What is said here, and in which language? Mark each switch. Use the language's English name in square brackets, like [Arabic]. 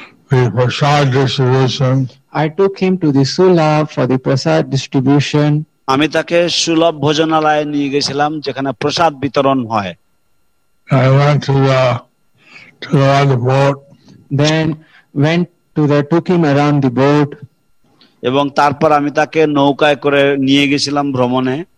[English] I took him to the Sulabh for the prasad distribution. [Bangla] আমি তাকে সুলভ ভোজনালয়ে নিয়ে গেছিলাম যেখানে প্রসাদ বিতরণ হয়। [English] I went to the boat. Then took him around the boat. [Bangla] এবং তারপর আমি তাকে নৌকায় করে নিয়ে গেছিলাম ভ্রমণে।